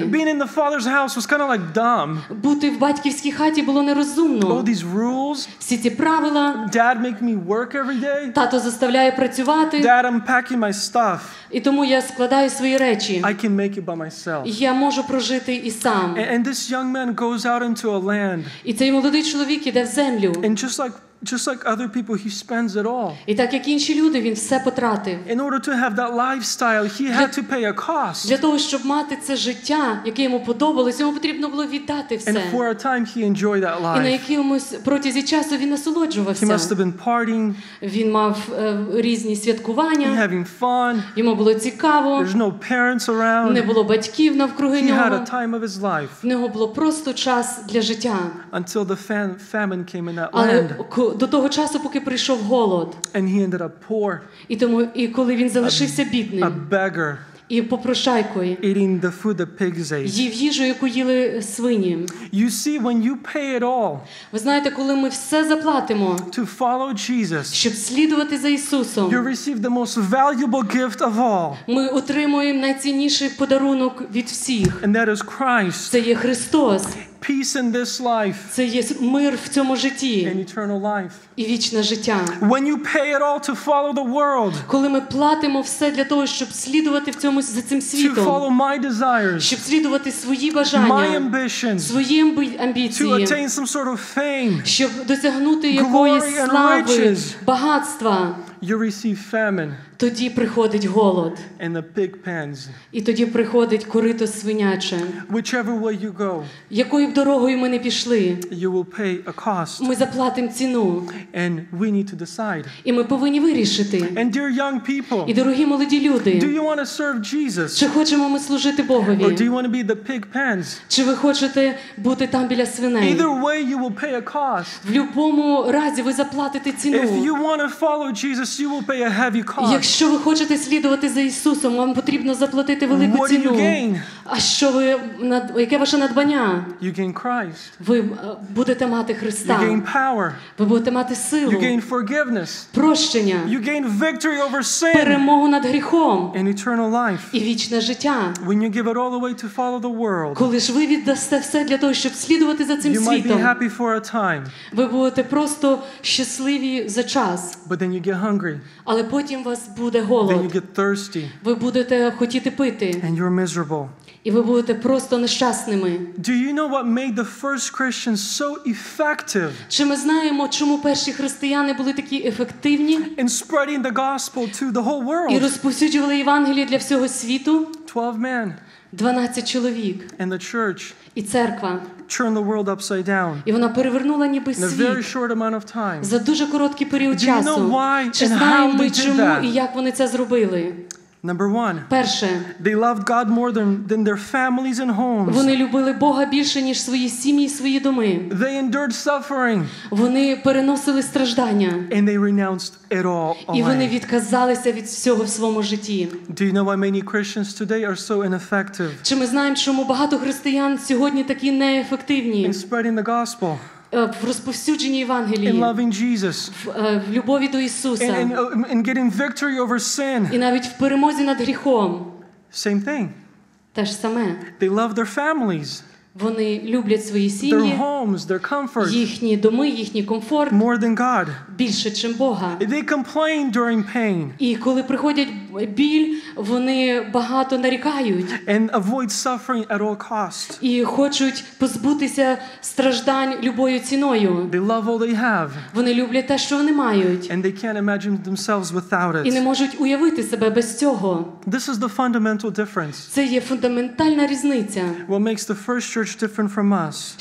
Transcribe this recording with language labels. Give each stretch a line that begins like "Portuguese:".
English: Being in the father's house was kind of like dumb.
Ukrainian: Бути в батьківській хаті було нерозумно.
English: All these rules.
Ukrainian: Всі ці правила.
English: Dad make me work every day.
Ukrainian: Тато заставляє працювати.
English: Dad, I'm packing my stuff.
Ukrainian: І тому я складаю свої речі.
English: I can make it by myself.
Ukrainian: Я можу прожити і сам.
English: And this young man goes out into a land.
Ukrainian: І цей молодий чоловік іде в землю.
English: And just like other people, he spends it all.
Ukrainian: І так, як інші люди, він все потратив.
English: In order to have that lifestyle, he had to pay a cost.
Ukrainian: Для того, щоб мати це життя, яке йому подобалось, йому потрібно було віддати все.
English: And for a time, he enjoyed that life.
Ukrainian: І на якомусь протязі часу він насолоджувався.
English: He must have been partying.
Ukrainian: Він мав різні святкування.
English: He having fun.
Ukrainian: Йому було цікаво.
English: There's no parents around.
Ukrainian: Не було батьків навкруги нього.
English: He had a time of his life.
Ukrainian: В нього було просто час для життя.
English: Until the famine came in that land.
Ukrainian: До того часу, поки прийшов голод.
English: And he ended up poor.
Ukrainian: І тому, і коли він залишився бідним.
English: A beggar.
Ukrainian: І попрошайкою.
English: Eating the food the pigs ate.
Ukrainian: Їв їжу, яку їли свині.
English: You see, when you pay it all.
Ukrainian: Ви знаєте, коли ми все заплатимо.
English: To follow Jesus.
Ukrainian: Щоб слідувати за Ісусом.
English: You receive the most valuable gift of all.
Ukrainian: Ми отримуємо найцінніший подарунок від всіх.
English: And that is Christ.
Ukrainian: Це є Христос.
English: peace in this life.
Ukrainian: Це є мир в цьому житті.
English: And eternal life.
Ukrainian: І вічне життя.
English: When you pay it all to follow the world.
Ukrainian: Коли ми платимо все для того, щоб слідувати в цьому за цим світом.
English: To follow my desires.
Ukrainian: Щоб слідувати свої бажання.
English: My ambitions.
Ukrainian: Свої амбіції.
English: To attain some sort of fame.
Ukrainian: Щоб досягнути якоїсь слави, багатства.
English: You receive famine.
Ukrainian: Тоді приходить голод.
English: And the pig pens.
Ukrainian: І тоді приходить корито свиняче.
English: Whichever way you go.
Ukrainian: Якою б дорогою ми не пішли.
English: You will pay a cost.
Ukrainian: Ми заплатимо ціну.
English: And we need to decide.
Ukrainian: І ми повинні вирішити.
English: And dear young people.
Ukrainian: І дорогі молоді люди.
English: Do you want to serve Jesus?
Ukrainian: Чи хочемо ми служити Богові?
English: Or do you want to be the pig pens?
Ukrainian: Чи ви хочете бути там біля свиней?
English: Either way you will pay a cost.
Ukrainian: В любому разі ви заплатите ціну.
English: If you want to follow Jesus, you will pay a heavy cost.
Ukrainian: Якщо ви хочете слідувати за Ісусом, вам потрібно заплатити велику ціну. А що ви, яке ваше надбання?
English: You gain Christ.
Ukrainian: Ви будете мати Христа.
English: You gain power.
Ukrainian: Ви будете мати силу.
English: You gain forgiveness.
Ukrainian: Прощення.
English: You gain victory over sin.
Ukrainian: Перемогу над гріхом.
English: And eternal life.
Ukrainian: І вічне життя.
English: When you give it all away to follow the world.
Ukrainian: Коли ж ви віддасте все для того, щоб слідувати за цим
English: you
Ukrainian: світом.
English: You might be happy for a time.
Ukrainian: Ви будете просто щасливі за час.
English: But then you get hungry.
Ukrainian: Але потім вас буде голод.
English: Then you get thirsty.
Ukrainian: Ви будете хотіти пити.
English: And you're miserable.
Ukrainian: І ви будете просто нещасними.
English: Do you know what made the first Christians so effective?
Ukrainian: Чи ми знаємо, чому перші християни були такі ефективні?
English: In spreading the gospel to the whole world.
Ukrainian: І розповсюджували Євангеліє для всього світу?
English: 12 men.
Ukrainian: 12 чоловік.
English: And the church.
Ukrainian: І церква.
English: Turned the world upside down.
Ukrainian: І вона перевернула ніби світ.
English: In a very short amount of time.
Ukrainian: За дуже короткий період часу.
English: Do you know why
Ukrainian: Чи
English: and how
Ukrainian: ми,
English: they
Ukrainian: чому
English: did that?
Ukrainian: І як вони це зробили?
English: Number one.
Ukrainian: Перше.
English: They loved God more than their families and homes.
Ukrainian: Вони любили Бога більше, ніж свої сім'ї і свої доми.
English: They endured suffering.
Ukrainian: Вони переносили страждання.
English: And they renounced it all
Ukrainian: away. І вони відказалися від всього в своєму житті.
English: Do you know why many Christians today are so ineffective?
Ukrainian: Чи ми знаємо, чому багато християн сьогодні такі неефективні?
English: In spreading the gospel.
Ukrainian: В розповсюдженні Євангелії, в любові до Ісуса,
English: in
Ukrainian: і навіть в перемозі над гріхом.
English: Same thing.
Ukrainian: Те ж саме.
English: They love their families.
Ukrainian: Вони люблять свої сім'ї,
English: their homes, their comfort,
Ukrainian: їхні доми, їхній комфорт,
English: more than God.
Ukrainian: Більше, чим Бога.
English: They complain during pain.
Ukrainian: І коли приходять біль, вони багато нарікають.
English: And avoid suffering at all cost.
Ukrainian: І хочуть позбутися страждань любою ціною.
English: They love all they have.
Ukrainian: Вони люблять те, що вони мають.
English: And they can't imagine themselves without it.
Ukrainian: І не можуть уявити себе без цього.
English: This is the fundamental difference.
Ukrainian: Це є фундаментальна різниця.
English: What makes the first church different from us?